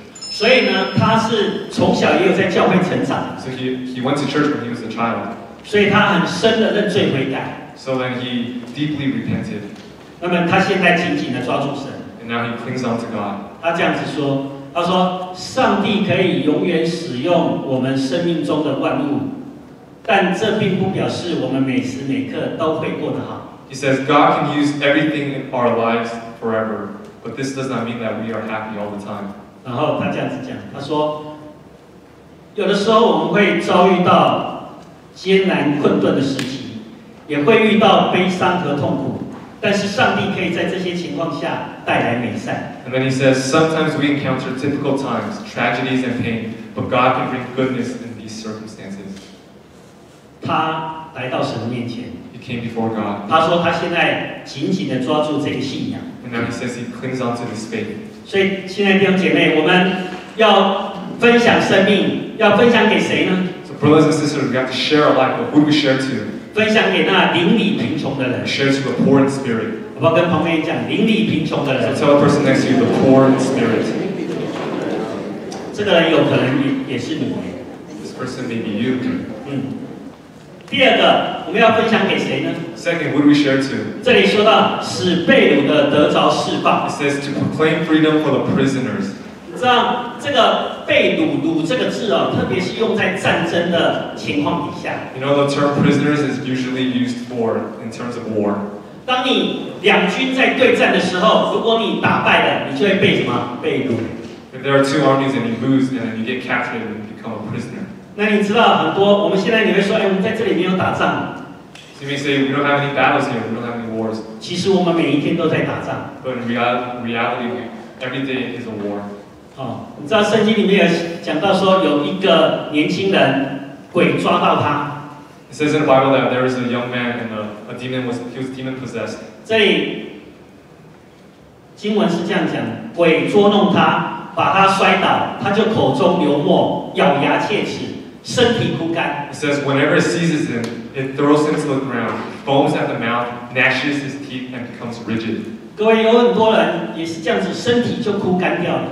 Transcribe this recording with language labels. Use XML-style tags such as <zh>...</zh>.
<zh>所以呢，他是从小也有在教会成长。</zh> <en>So he went to church when he was a child.</en> <zh>所以他很深的认罪悔改。</zh> <en>So then he deeply repented.</en> <zh>那么他现在紧紧的抓住神。</zh> <en>And now he clings on to God.</en> <zh>他这样子说，他说，上帝可以永远使用我们生命中的万物。但这并不表示我们每时每刻都会过得好。</zh> <en>He says God can use everything in our lives forever, but this does not mean that we are happy all the time.</en> <zh>然后他这样子讲，他说，有的时候我们会遭遇到艰难困顿的时期，也会遇到悲伤和痛苦，但是上帝可以在这些情况下带来美善。</zh> <en>And then he says sometimes we encounter difficult times, tragedies and pain, but God can bring goodness in these circumstances.</en> <zh>他来到神面前。</zh> <en>He came before God.</en> <zh>他说他现在紧紧地抓住这个信仰。</zh> <en>And now he says he clings onto his faith.</en> <zh>所以，亲爱的弟兄姐妹，我们要分享生命，要分享给谁呢</zh> <en>？So brothers and sisters, we have to share our life. But who do we share to?</en> <zh>分享给那邻里贫穷的人。</zh> <en>Share to the poor in spirit.</en> <zh>我要跟旁边讲，邻里贫穷的人。</zh> <en>So tell the person next to you, the poor in spirit.</en> <zh>这个人有可能也是你。</zh> <en>This person may be you. 嗯。</en> <zh>第二个，我们要分享给谁呢</zh> <en>？Second, what do we share to?</en> <zh>这里说到使被掳的得着释放。</zh> <en>It says to proclaim freedom for the prisoners.</en> <zh>你知道这个被掳“掳”这个字哦，特别是用在战争的情况底下。</zh> <en>You know the term prisoners is usually used for in terms of war.</en> <zh>当你两军在对战的时候，如果你打败了，你就会被什么？被掳。</zh> <en>The If there are two armies and you lose, and then you get captured and become a prisoner.</en> <zh>那你知道很多，我们现在你会说，哎，我们在这里没有打仗。</zh> <en>You may say, we don't have any battles here, we don't have any wars.</en> <zh>其实我们每一天都在打仗。</zh> <en>But in reality, every day is a war.</en> <zh>你知道圣经里面有讲到说有一个年轻人，鬼抓到他。</zh> <en>It says in the Bible that there is a young man and a demon was, he was demon possessed.</en> <zh>这里经文是这样讲，鬼捉弄他，把他摔倒，他就口中流沫，咬牙切齿，身体枯干。</zh> <en>It says whenever it seizes him, it throws him to the ground, foams at the mouth, gnashes his teeth, and becomes rigid.</en> <zh>各位有很多人也是这样子，身体就枯干掉了。</zh>